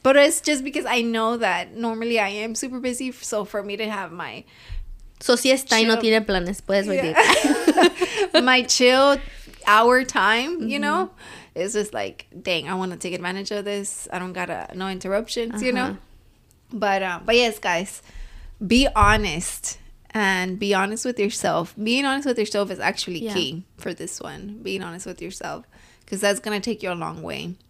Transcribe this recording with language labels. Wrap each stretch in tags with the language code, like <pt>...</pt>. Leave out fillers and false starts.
<en>But it's just because I know that normally I am super busy. So for me to have my...</en> <es>So si está chill, y no tiene planes, puedes venir.</es> <en>Yeah. My chill hour time, mm-hmm. you know? It's just like, dang, I want to take advantage of this. I don't gotta... No interruptions, uh-huh. you know? But yes, guys, be honest and be honest with yourself. Being honest with yourself is actually key for this one. Being honest with yourself, because that's going to take you a long way.</en>